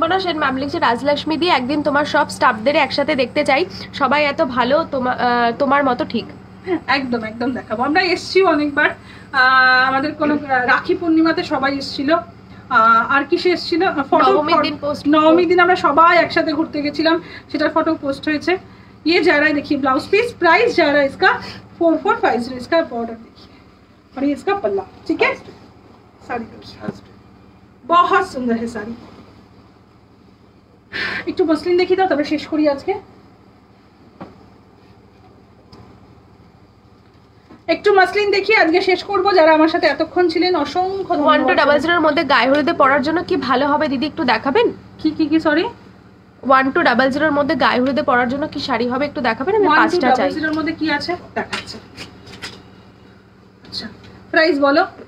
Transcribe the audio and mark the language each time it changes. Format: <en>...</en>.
<bn>শোভনা Sen, ma'am লিখছে রাজলক্ষ্মী দি একদিন তোমার সব স্টাফদের একসাথে দেখতে চাই, সবাই এত ভালো তোমার মতো। ঠিক, একদম একদম দেখাবো। আমরা এসেছি অনেকবার, আমাদের কোন রাখি পূর্ণিমাতে সবাই এসেছিল, আর কিসে এসেছিল, নবমীর দিন আমরা সবাই একসাথে ঘুরতে গেছিলাম, সেটার ফটো পোস্ট হয়েছে।</bn> <hi>ये जा रहा है देखिए ब्लाउज पीस, प्राइस जा रहा है इसका 4450, इसका बॉर्डर देखिए और ये इसका पल्ला। ठीक है साड़ी देखिए, बहुत सुंदर है साड़ी। एक तो मसलिन देखी दो, तब शेष करी आज के, एक तो मसलिन देखिए आज के शेष করব।</hi> <bn>যারা আমার সাথে এতক্ষণ ছিলেন অসংখ্য ধন্যবাদ। 1200 এর মধ্যে গায়ে হলুদে পড়ার জন্য কি ভালো হবে দিদি একটু দেখাবেন? কি কি কি সরি, 1200 এর মধ্যে গায়ে হলুদে পড়ার জন্য কি শাড়ি হবে একটু দেখাবেন? আমি 5টা চাই। 1200 এর মধ্যে কি আছে দেখাচ্ছি। প্রাইস বলো,</bn>